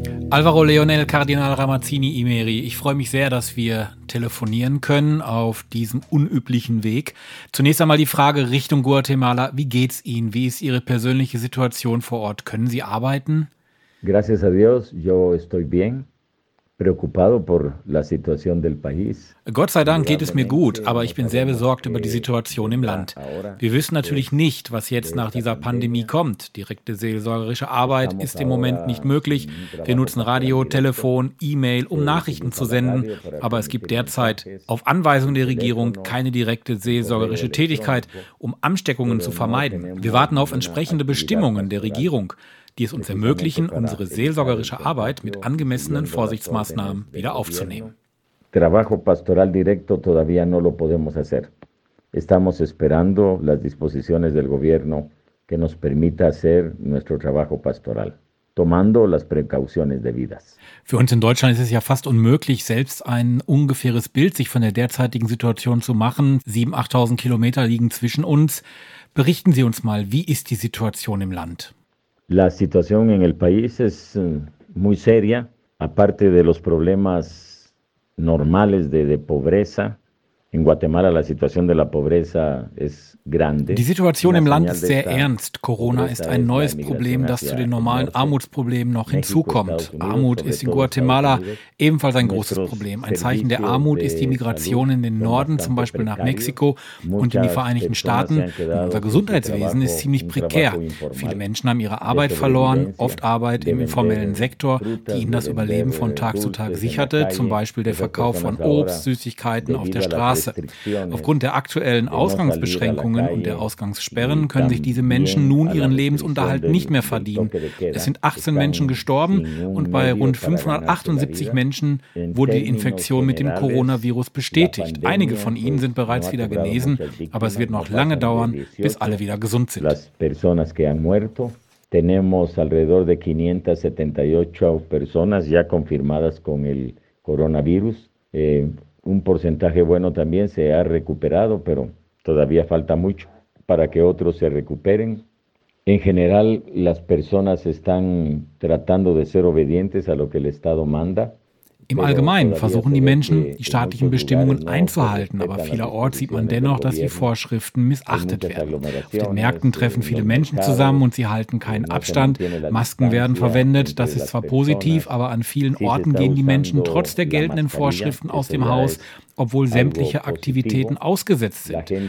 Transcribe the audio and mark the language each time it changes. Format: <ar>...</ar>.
<de>Alvaro Leonel, Kardinal Ramazzini Imeri, ich freue mich sehr, dass wir telefonieren können auf diesem unüblichen Weg. Zunächst einmal die Frage Richtung Guatemala. Wie geht's Ihnen? Wie ist Ihre persönliche Situation vor Ort? Können Sie arbeiten?</de> <es>Gracias a Dios, yo estoy bien. Preocupado por la situación del país.</es> <de>Gott sei Dank geht es mir gut, aber ich bin sehr besorgt über die Situation im Land. Wir wissen natürlich nicht, was jetzt nach dieser Pandemie kommt. Direkte seelsorgerische Arbeit ist im Moment nicht möglich. Wir nutzen Radio, Telefon, E-Mail, um Nachrichten zu senden, aber es gibt derzeit auf Anweisung der Regierung keine direkte seelsorgerische Tätigkeit, um Ansteckungen zu vermeiden. Wir warten auf entsprechende Bestimmungen der Regierung, die es uns ermöglichen, unsere seelsorgerische Arbeit mit angemessenen Vorsichtsmaßnahmen wieder aufzunehmen.</de> <es>Trabajo pastoral directo todavía no lo podemos hacer. Estamos esperando las disposiciones del gobierno que nos permita hacer nuestro trabajo pastoral, tomando las precauciones debidas.</es> <de>Für uns in Deutschland ist es ja fast unmöglich, selbst ein ungefähres Bild sich von der derzeitigen Situation zu machen. 7.000-8.000 Kilometer liegen zwischen uns. Berichten Sie uns mal, wie ist die Situation im Land?</de> <es>La situación en el país es muy seria, aparte de los problemas normales de pobreza. En Guatemala la situación de la pobreza es grande.</es> <de>Die Situation im Land ist sehr ernst. Corona ist ein neues Problem, das zu den normalen Armutsproblemen noch hinzukommt. Armut ist in Guatemala ebenfalls ein großes Problem. Ein Zeichen der Armut ist die Migration in den Norden, zum Beispiel nach Mexiko und in die Vereinigten Staaten. Unser Gesundheitswesen ist ziemlich prekär. Viele Menschen haben ihre Arbeit verloren, oft Arbeit im informellen Sektor, die ihnen das Überleben von Tag zu Tag sicherte, zum Beispiel der Verkauf von Obst, Süßigkeiten auf der Straße. Aufgrund der aktuellen Ausgangsbeschränkungen und der Ausgangssperren können sich diese Menschen nun ihren Lebensunterhalt nicht mehr verdienen. Es sind 18 Menschen gestorben und bei rund 578 Menschen wurde die Infektion mit dem Coronavirus bestätigt. Einige von ihnen sind bereits wieder genesen, aber es wird noch lange dauern, bis alle wieder gesund sind.</de> <es>Las personas que han muerto, tenemos alrededor de 578 personas ya confirmadas con el coronavirus. Un porcentaje bueno también se ha recuperado, pero todavía falta mucho para que otros se recuperen. En general, las personas están tratando de ser obedientes a lo que el Estado manda.</es> <de>Im Allgemeinen versuchen die Menschen, die staatlichen Bestimmungen einzuhalten, aber vielerorts sieht man dennoch, dass die Vorschriften missachtet werden. Auf den Märkten treffen viele Menschen zusammen und sie halten keinen Abstand. Masken werden verwendet, das ist zwar positiv, aber an vielen Orten gehen die Menschen trotz der geltenden Vorschriften aus dem Haus, obwohl sämtliche Aktivitäten ausgesetzt sind.</de>